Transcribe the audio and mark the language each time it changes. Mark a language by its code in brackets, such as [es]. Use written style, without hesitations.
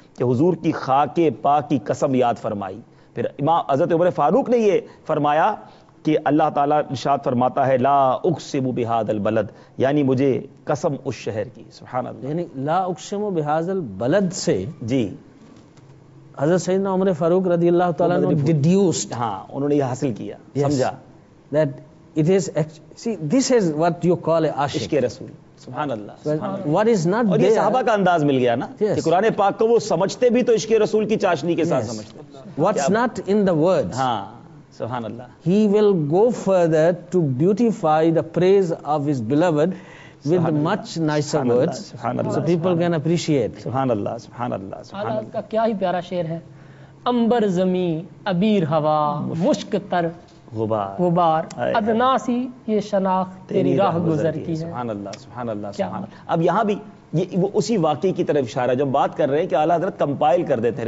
[ur] کہ حضور کی خاک پاک کی قسم یاد فرمائی. پھر امام حضرت عمر فاروق نے یہ فرمایا کہ اللہ تعالیٰ ارشاد فرماتا ہے [ar] لا اقسم بهذا البلد, [ur] یعنی مجھے قسم اس شہر کی. سبحان اللہ, یعنی [ar] لا اقسم بهذا البلد [ur] سے جی حضرت سیدنا عمر فاروق رضی اللہ تعالیٰ نے ڈیڈیوسڈ, ہاں انہوں نے یہ حاصل کیا. [en] yes. [ur] سمجھا [en] that it is actually, see, this is what you call a عاشق, [ur] عشق رسول. سبحان اللہ, [en] what is not [ur] there. اور یہ صحابہ کا انداز مل گیا نا. [en] yes. [ur] کہ قرآن پاک کو وہ سمجھتے بھی تو عشق رسول کی چاشنی کے ساتھ. [en] yes. [ur] سمجھتے. [en] what's not in the words. [ur] ہاں سبحان اللہ, [en] he will go further to beautify the praise of his beloved with much nicer words. [ur] سبحان اللہ, [en] so people can appreciate. [ur] سبحان اللہ, سبحان اللہ, سبحان اللہ, کا کیا ہی پیارا شعر ہے. امبر زمین ابیر ہوا مشک تر غبار, ادنا سی یہ شناخت تیری راہ گزر کی ہے. سبحان اللہ, سبحان اللہ, سبحان اللہ. اب یہاں بھی یہ وہ اسی واقعے کی طرف اشارہ جب بات کر رہے ہیں کہ اعلیٰ حضرت کمپائل کر دیتے ہیں.